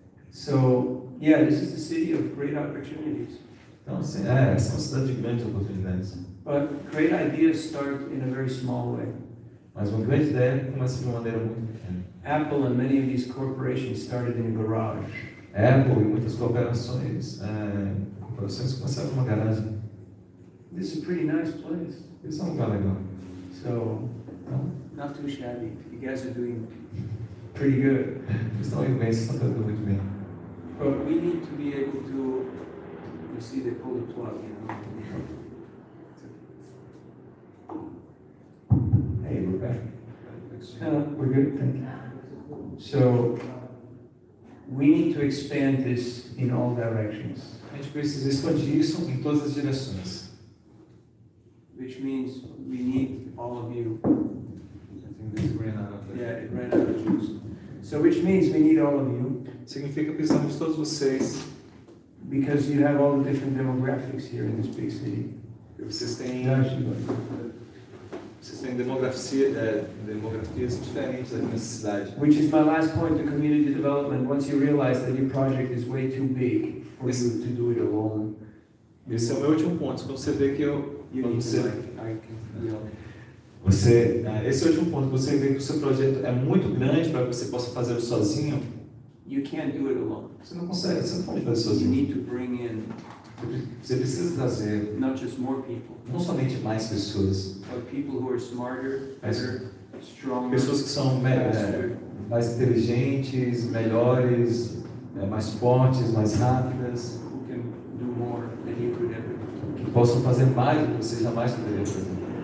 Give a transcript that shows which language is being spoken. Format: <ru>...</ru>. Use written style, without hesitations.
<en>So, yeah, this is a city of great opportunities.</en> <pt>Então, sim, essa é uma cidade de grandes oportunidades.</pt> <en>But great ideas start in a very small way.</en> <pt>Mas uma grande ideia começa de uma maneira muito pequena.</pt> <en>Apple and many of these corporations started in a garage.</en> <pt>Apple e muitas corporações começaram numa garagem.</pt> <en>This is a pretty nice place.</en> <pt>Isso é um lugar legal.</pt> <en>So, not too shabby. You guys are doing pretty good.</en> <pt>Estão indo bem, estão fazendo muito bem.</pt> <en>But we need to be able to You see, they pull the plug, you know. Hey, we're back. We're good, thank you. So, we need to expand this in all directions.</en> <pt>A gente precisa expandir isso em todas as direções.</pt> <en>Which means we need all of you. I think this ran out of the... Yeah, it ran out of juice. So, which means we need all of you.</en> <pt>Significa que precisamos de todos vocês.</pt> <en>Because you have all the different demographics here in this big city.</en> <pt>Vocês têm... Vocês têm demografias diferentes aqui nessa cidade.</pt> <en>Which is my last point, the community development. Once you realize that your project is way too big for you to do it alone.</en> <pt>Esse é o meu último ponto. Quando você vê que eu... Esse é o último ponto. Você vê que o seu projeto é muito grande para que você possa fazer sozinho.</pt> <en>You can't do it alone.</en> <pt>Você não consegue. Você não pode fazer sozinho.</pt> <en>You need to bring in.</en> <pt>Você precisa trazer.</pt> <en>Not just more people.</en> <pt>Não somente mais pessoas.</pt> <en>But people who are smarter, better, stronger.</en> <pt>Pessoas que são mais inteligentes, melhores, mais fortes, mais rápidas.</pt> <en>Who can do more than you could ever.</en> <pt>Que possam fazer mais do que você jamais poderia fazer.</pt>